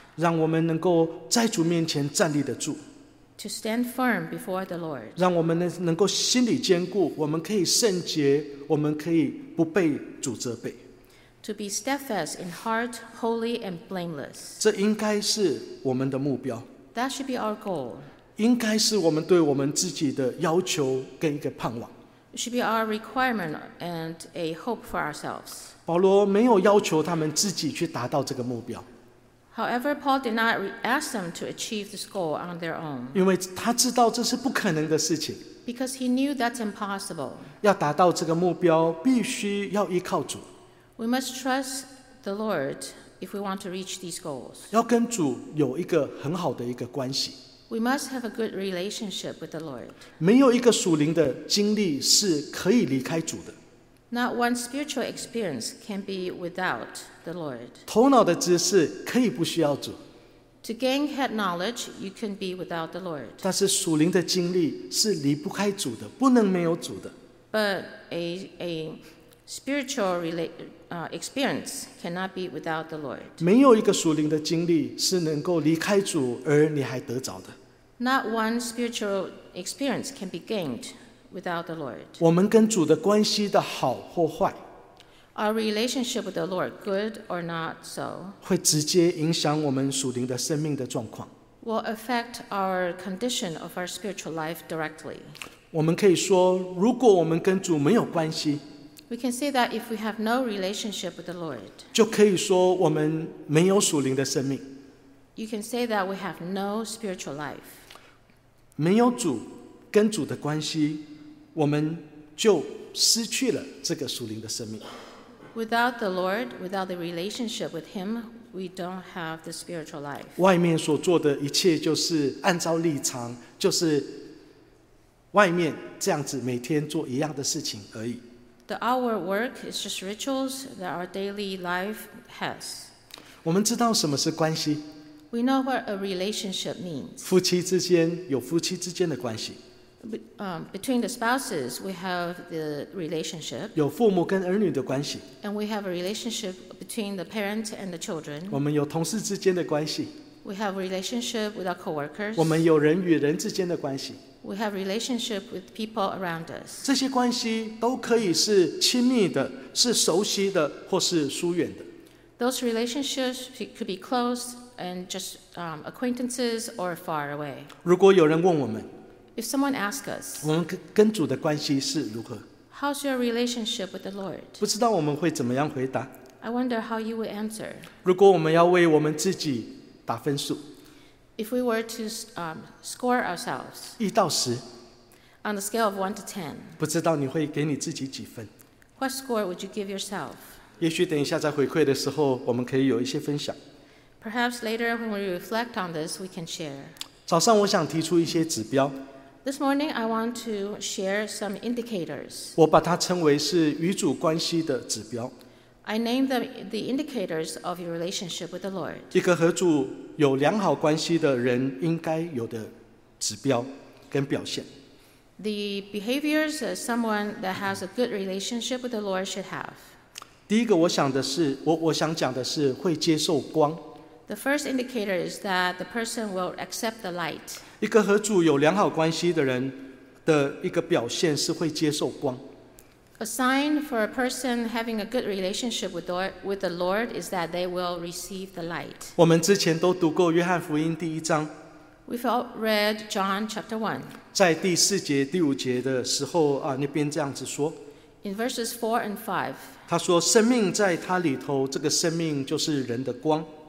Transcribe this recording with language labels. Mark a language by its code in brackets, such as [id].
[zh] 让我们能够在主面前站立得住。 [en] To stand firm before the Lord. [zh] 让我们能够心里坚固，我们可以圣洁，我们可以不被主责备。 [en] To be steadfast in heart, holy and blameless. [zh] 这应该是我们的目标。 [en] That should be our goal. [zh] 应该是我们对我们自己的要求跟一个盼望。 [en] It should be our requirement and a hope for ourselves. [zh] 保罗没有要求他们自己去达到这个目标。 [en] However, Paul did not ask them to achieve this goal on their own. [zh] 因为他知道这是不可能的事情。 [en] Because he knew that's impossible. [zh] 要达到这个目标，必须要依靠主。 [en] We must trust the Lord if we want to reach these goals. [zh] 要跟主有一个很好的一个关系。 [en] We must have a good relationship with the Lord. [zh] 没有一个属灵的经历是可以离开主的。 [en] Not one spiritual experience can be without the Lord. [zh] 头脑的知识可以不需要主。 [en] To gain head knowledge, you can be without the Lord. [zh] 但是属灵的经历是离不开主的，不能没有主的。 [en] But a spiritual experience cannot be without the Lord. [zh] 没有一个属灵的经历是能够离开主而你还得着的。 [en] Not one spiritual experience can be gained. Without the Lord. [zh] 我们跟主的关系的好或坏 [en] Our relationship with the Lord, good or not so, [zh] 会直接影响我们属灵的生命的状况 [en] will affect our condition of our spiritual life directly. [zh] 我们可以说如果我们跟主没有关系 [en] We can say that if we have no relationship with the Lord, [zh] 就可以说我们没有属灵的生命 [en] You can say that we have no spiritual life. [zh] 没有主跟主的关系，我们就失去了这个属灵的生命。 [en] Without the Lord, without the relationship with Him, we don't have the spiritual life. [zh] 外面所做的一切就是按照立场，就是外面这样子每天做一样的事情而已。 [en] The outward work is just rituals that our daily life has. [zh] 我们知道什么是关系。 [en] We know what a relationship means. [zh] 夫妻之间有夫妻之间的关系。 [en] Between the spouses, we have the relationship. [zh] 有父母跟儿女的关系。 [en] And we have a relationship between the parents and the children. [zh] 我们有同事之间的关系。 [en] We have a relationship with our coworkers. [zh] 我们有人与人之间的关系。 [en] We have a relationship with people around us. [zh] 这些关系都可以是亲密的，是熟悉的，或是疏远的。 [en] Those relationships could be close and just acquaintances or far away. [zh] 如果有人问我们。 [en] If someone asks us, [zh] 我们跟主的关系是如何 [en] How's your relationship with the Lord? [zh] 不知道我们会怎么样回答 [en] I wonder how you would answer. [zh] 如果我们要为我们自己打分数 [en] If we were to score ourselves, [zh] 一到十 [en] On a scale of 1 to 10, [zh] 不知道你会给你自己几分 [en] What score would you give yourself? [zh] 也许等一下在回馈的时候我们可以有一些分享 [en] Perhaps later when we reflect on this, we can share. [zh] 早上我想提出一些指标 [en] This morning, I want to share some indicators. [zh] 我把它称为是与主关系的指标。 [en] I name them the indicators of your relationship with the Lord. [zh] 一个和主有良好关系的人应该有的指标跟表现。 [en] The behaviors that someone that has a good relationship with the Lord should have. [zh] 第一个我想讲的是会接受光。 [en] The first indicator is that the person will accept the light. [zh] 一个和主有良好关系的人的一个表现是会接受光。 [en] A sign for a person having a good relationship with the Lord is that they will receive the light. [zh] 我们之前都读过约翰福音第一章。 [en] We've all read John chapter 1. [zh] 在第四节、第五节的时候、啊、那边这样子说。 [en] In verses 4 and 5. [zh] 他说生命在他里头，这个生命就是人的光。